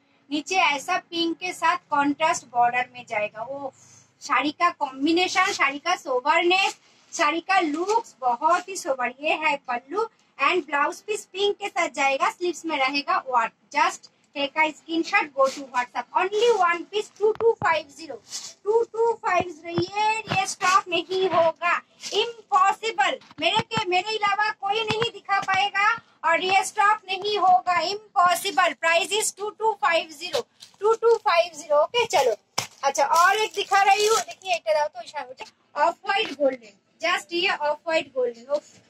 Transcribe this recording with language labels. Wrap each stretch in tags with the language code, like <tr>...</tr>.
<hi>नीचे ऐसा पिंक के साथ कॉन्ट्रास्ट बॉर्डर में जाएगा। ओ, साड़ी का कॉम्बिनेशन, साड़ी का सोबरनेस, साड़ी का लुक्स बहुत ही सोबर। ये है पल्लू एंड ब्लाउज पीस पिंक के साथ जाएगा, स्लीव्स में रहेगा।</hi> <en>What, just take a screenshot, go to WhatsApp. Only one piece 2250।</en> <hi>ये स्टॉक नहीं होगा, इम्पॉसिबल। मेरे अलावा कोई नहीं दिखा पाएगा और ये स्टॉक नहीं होगा, इम्पॉसिबल।</hi> <en>Price is 2250। Okay, चलो।</en> <hi>अच्छा, और एक दिखा रही हूँ, देखिए तो ऑफ व्हाइट गोल्डन, जस्ट ये ऑफ व्हाइट गोल्डन।</hi>